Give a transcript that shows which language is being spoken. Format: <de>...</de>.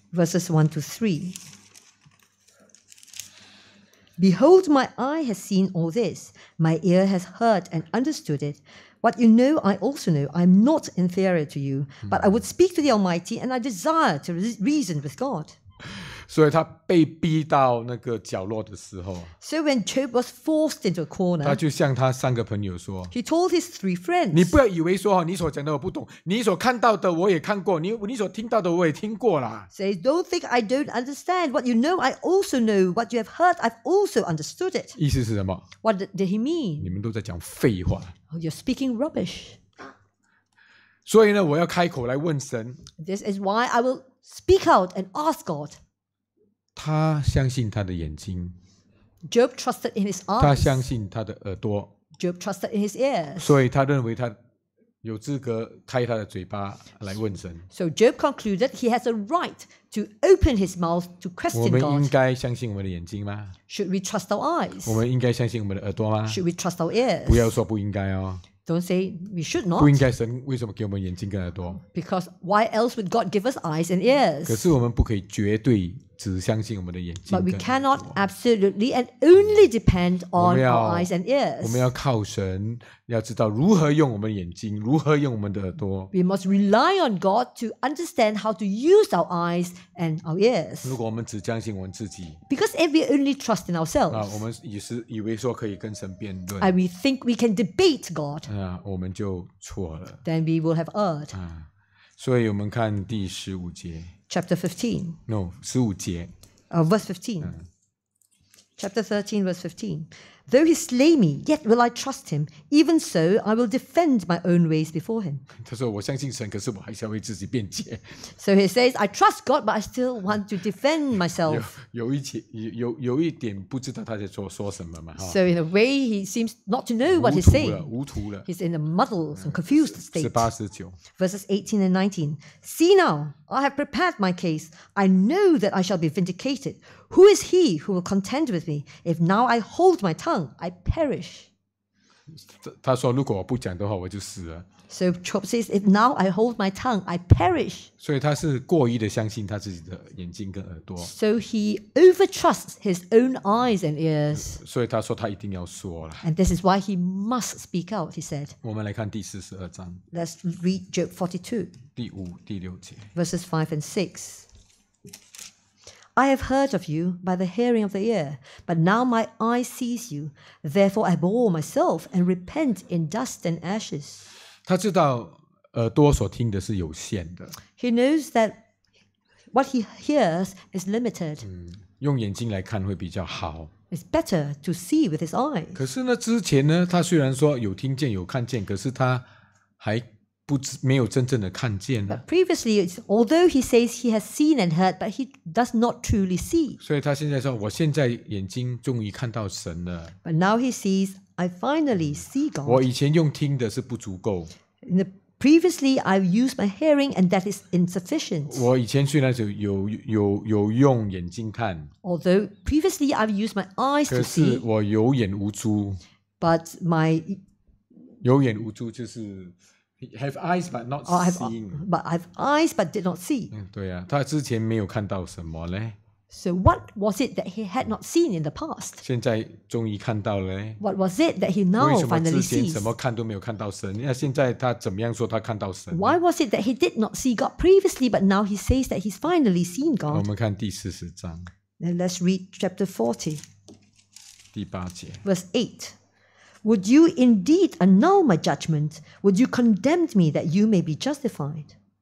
<en>Verses 1 to 3. Behold, my eye has seen all this. My ear has heard and understood it. What you know, I also know. I am not inferior to you. But I would speak to the Almighty, and I desire to reason with God.</en> <zh>所以他被逼到那个角落的时候，</zh> <en>So when Job was forced into a corner,</en> <zh>他就向他三个朋友说，</zh> <en>He told his three friends,</en> <zh>你不要以为说你所讲的我不懂，你所看到的我也看过， 你所听到的我也听过啦。</zh> <en>Say, don't think I don't understand. What you know, I also know. What you have heard, I've also understood it.</en> <zh>意思是什么？</zh> <en>What did he mean?</en> <zh>你们都在讲废话。</zh> <en>Oh, you're speaking rubbish.</en> <zh>所以呢，我要开口来问神。</zh> <en>This is why I will speak out and ask God.</en> <zh>他相信他的眼睛。</zh> <en>Job trusted in his eyes.</en> <zh>他相信他的耳朵。</zh> <en>Job trusted in his ears.</en> <zh>所以他认为他有资格开他的嘴巴来问神。</zh> <en>So Job concluded he has a right to open his mouth to question God.</en> <zh>我们应该相信我们的眼睛吗？</zh> <en>Should we trust our eyes?</en> <zh>我们应该相信我们的耳朵吗？</zh> <en>Should we trust our ears?</en> <zh>不要说不应该哦。</zh> <en>Don't say we should not.</en> <zh>不应该神为什么给我们眼睛跟耳朵？</zh> <en>Because why else would God give us eyes and ears?</en> <zh>可是我们不可以绝对只相信我们的眼睛跟耳朵。</zh> <en>But we cannot absolutely and only depend on our eyes and ears.</en> <zh>我们要靠神，要知道如何用我们的眼睛，如何用我们的耳朵。</zh> <en>We must rely on God to understand how to use our eyes and our ears.</en> <zh>如果我们只相信我们自己，</zh> <en>Because if we only trust in ourselves,</en> <zh>我们也是以为说可以跟神辩论，</zh> <en>and we think we can debate God,</en> <zh>我们就错了。</zh> <en>Then we will have erred.</en> <zh>所以我们看第十五节。</zh> <en>Chapter 15. No,</en> <zh>十五节。</zh> <en>Verse 15. Chapter 13, verse 15. Though he slay me, yet will I trust him. Even so, I will defend my own ways before him.</en> <zh>他說,我相信神,</zh> <en>so he says, I trust God, but I still want to defend myself.</en> <zh>有一点不知道他在说什么嘛,</zh> <en>so in a way, he seems not to know what he's saying.</en> <zh>无途了,</zh> <en>he's in a muddle, some confused state. 18, verses 18 and 19. See now, I have prepared my case. I know that I shall be vindicated. Who is he who will contend with me? If now I hold my tongue, I perish.</en> <zh>他说如果我不讲的话我就死了。</zh> <en>So Job says, if now I hold my tongue, I perish.</en> <zh>所以他是过于的相信他自己的眼睛跟耳朵。</zh> <en>So he overtrusts his own eyes and ears.</en> <zh>所以他说他一定要说了。</zh> <en>And this is why he must speak out, he said.</en> <zh>我们来看第42章。</zh> <en>Let's read Job 42.</en> <zh>第五、第六节。</zh> <en>Verses 5 and 6. I have heard of you by the hearing of the ear, but now my eye sees you. Therefore, I abhor myself and repent in dust and ashes.</en> <zh>他知道耳朵所听的是有限的。</zh> <en>He knows that what he hears is limited.</en> <zh>用眼睛来看会比较好。</zh> <en>It's better to see with his eyes.</en> <zh>可是呢，之前呢， 他虽然说有听见有看见， 可是他还 没有真正的看见啊。</zh> <en>But previously, although he says he has seen and heard, but he does not truly see.</en> <zh>所以他现在说, 我现在眼睛终于看到神了。</zh> <en>But now he sees, I finally see God.</en> <zh>我以前用听的是不足够。</zh> <en>Previously, I've used my hearing and that is insufficient.</en> <zh>我以前虽然有用眼睛看。</zh> <en>Although previously, I've used my eyes to see.</en> <zh>可是我有眼无珠。</zh> <en>But my...</en> <zh>有眼无珠就是...</zh> <en>Have eyes but not seeing. But I have eyes but did not see.</en> <zh>对啊, 他之前没有看到什么呢?</zh> <en>So what was it that he had not seen in the past?</en> <zh>现在终于看到了呢?</zh> <en>What was it that he now finally sees?</en> <zh>为什么之前什么看都没有看到神?现在他怎么样说他看到神?</zh> <en>Why was it that he did not see God previously but now he says that he's finally seen God?</en> <zh>我们看第40章。</zh> <en>Then let's read chapter 40.</en> <zh>第八节。</zh> <en>Verse 8. Would you indeed annul my judgment? Would you condemn me that you may be justified?</en>